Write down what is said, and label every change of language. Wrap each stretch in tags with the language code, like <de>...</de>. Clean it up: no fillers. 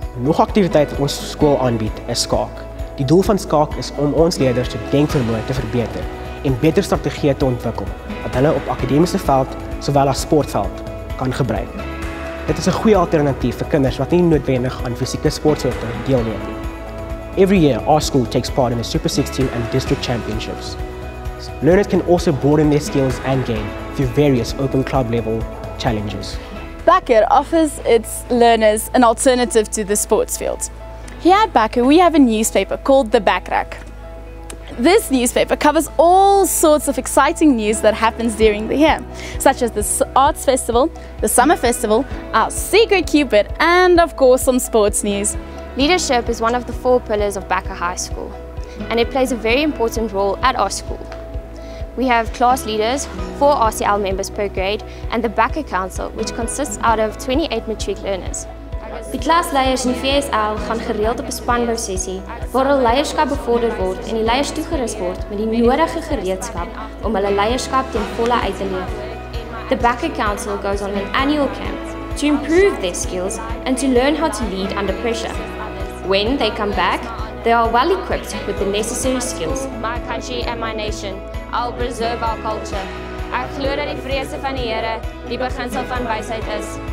<af>Nog 'n aktiwiteit wat ons skool aanbied is skaak. Die doel van skaak is om ons leerders se denkvermoë te verbeter en beter strategieë te ontwikkel wat hulle op akademiese veld sowel as sportveld kan gebruik. Dit is 'n goeie alternatief vir kinders wat nie noodwendig aan fisieke sportsoorte deelneem nie.</af> <en>Every year, our school takes part in the Super 16 and District Championships. Learners can also broaden their skills and game through various open club level challenges. Becker offers its learners an alternative to the sports field. Here at Becker, we have a newspaper called the Backrack. This newspaper covers all sorts of exciting news that happens during the year, such as the Arts Festival, the Summer Festival, our Secret Cupid, and of course some sports news. Leadership is one of the four pillars of Becker High School, and it plays a very important role at our school. We have class leaders, 4 RCL members per grade, and the Becker Council, which consists out of 28 matric learners.</en> <af>Die klasleiers in VSL gaan gereeld op 'n spanbou sessie waar hulle leierskap bevorder word en die leiers toegerus word met die nodige gereedskap om hulle leierskap ten volle uit te leef.</af> <en>The Becker Council goes on an annual camp to improve their skills and to learn how to lead under pressure. When they come back, they are well equipped with the necessary skills. My country and my nation, I'll preserve our culture.</en> <af>Ek glo dat die vrese van die Here die beginsel van wysheid is.</af>